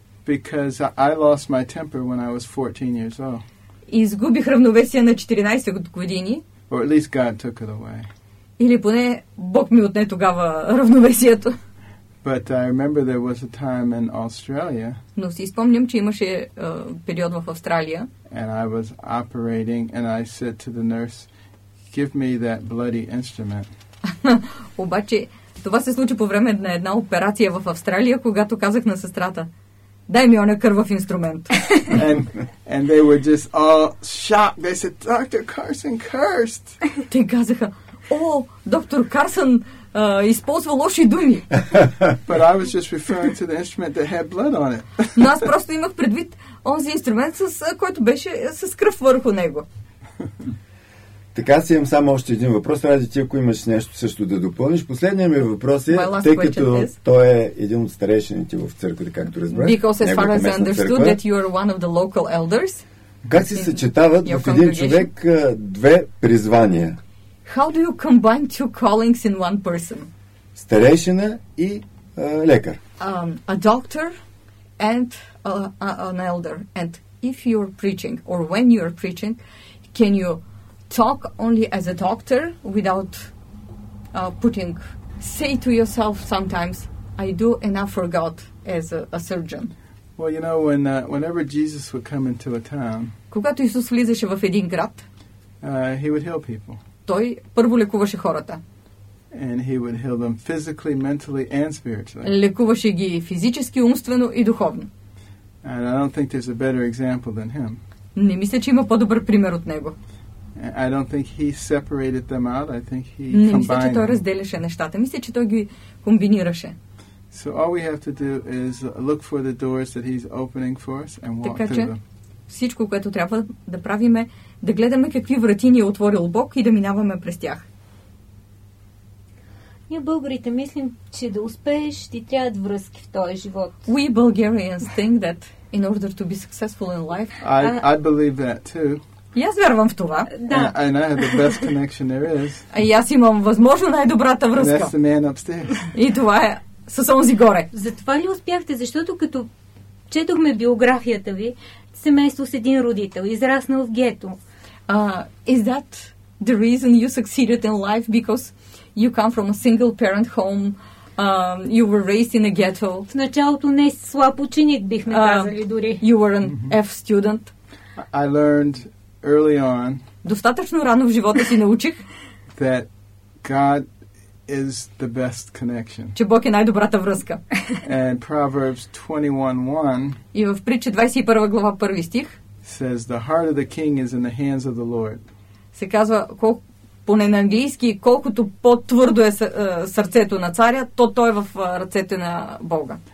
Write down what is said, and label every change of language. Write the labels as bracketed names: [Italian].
[English] Because I lost my temper when I was 14 years old. [Bulgarian] Изгубих равновесие на 14 години. [English] Or at least God took it away. [Bulgarian] Или поне Бог ми отне тогава равновесието. [English] But I remember there was a time in Australia. [Bulgarian] Но си спомням, че имаше период в Австралия. [English] And I was operating and I said to the nurse, give me that bloody instrument. [Bulgarian] Обаче, това се случи по време на една операция в Австралия, когато казах на сестрата, дай ми оня кървав инструмент. [English] And they were just all shocked. They said, Dr. Carson cursed. [Bulgarian] Те казаха, о, доктор Карсън използва лоши думи. [English] But I was just referring to the instrument that had blood on it. [Bulgarian] Но аз просто имах предвид онзи инструмент, който беше с кръв върху него. Така си имам само още един въпрос. Ради ти, ако имаш нещо също да допълниш. Последният ми въпрос е, тъй като той е един от старейшините в църквата, както разбрах. [English] Because as far as I understood that you are one of the local elders. [Bulgarian] Как си съчетават в един човек две призвания? [English] How do you combine two callings in one person? [Bulgarian] Старейшина и лекар. [English] A doctor and an elder. And if you're preaching or when you're preaching, can you talk only as a doctor without putting, say to yourself sometimes, I do enough for God as a surgeon. Well, you know, whenever Jesus would come into a town, [Bulgarian] когато Исус влизаше в един град, [English] he would heal people. [Bulgarian] Той първо лекуваше хората. [English] And he would heal them physically, mentally and spiritually. [Bulgarian] Лекуваше ги физически, умствено и духовно. [English] And I don't think there's a better example than him. [Bulgarian] Не мисля, че има по-добър пример от него. [English] I don't think he separated them out. I think he combined. [Bulgarian] Мисля, че той разделяше нещата. Мисля, че той ги комбинираше. [English] So all we have to do is look for the doors that he's opening for us and walk [Bulgarian] така, [English] through them. [Bulgarian] Всичко, което трябва да правим е да гледаме какви врати ни е отворил Бог и да минаваме през тях. Ние българите мислим, че да успееш, ти трябват връзки в този живот. [English] We Bulgarians think that in order to be successful in life. I believe that too. [Bulgarian] И аз вярвам в това. Да. [English] And I have the best connection there is. [Bulgarian] И аз имам възможно най-добрата връзка. [English] And that's the man upstairs. [Bulgarian] И това е с онзи горе. Затова ли успяхте? Защото като четохме биографията ви, семейство с един родител, израснал в гето. [English] Is that the reason you succeeded in life? Because you come from a single parent home, you were raised in a ghetto. [Bulgarian] В началото не си слаб ученик, бихме казали дори. [English] You were an F student. I learned early on. [Bulgarian] Достатъчно рано в живота си научих. [English] That God is the best connection. [Bulgarian] Че Бог е най-добрата връзка. [English] And Proverbs 21:1. [Bulgarian] И в Притчи 21 глава 1 стих. [English] Says the heart of the king is in the hands of the Lord. [Bulgarian] Се казва поне на английски, колкото по-твърдо е сърцето на царя, то е в ръцете на Бога.